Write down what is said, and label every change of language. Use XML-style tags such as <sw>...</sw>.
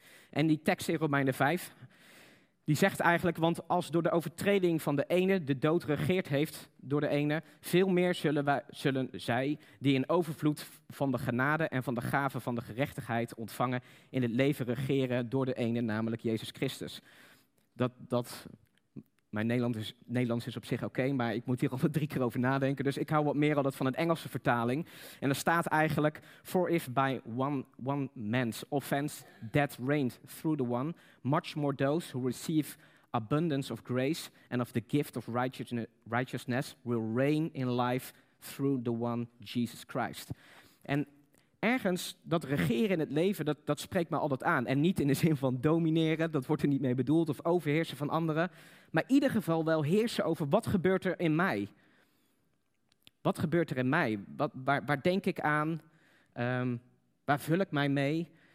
<nl>En die tekst in Romeinen 5, die zegt eigenlijk, want als door de overtreding van de ene de dood regeert heeft door de ene, veel meer zullen zij die in overvloed van de genade en van de gave van de gerechtigheid ontvangen in het leven regeren door de ene, namelijk Jezus Christus. Mijn Nederlands is op zich oké, maar ik moet hier al 3 keer over nadenken. Dus ik hou wat meer al dat van het Engelse vertaling. En er staat eigenlijk,</nl> <en>for if by one man's offense death reigned through the one, much more those who receive abundance of grace and of the gift of righteousness will reign in life through the one Jesus Christ.</en> <nl>En ergens, dat regeren in het leven, dat spreekt me altijd aan. En niet in de zin van domineren, dat wordt er niet mee bedoeld, of overheersen van anderen. Maar in ieder geval wel heersen over, wat gebeurt er in mij? Wat gebeurt er in mij? Waar denk ik aan? Waar vul ik mij mee?</nl>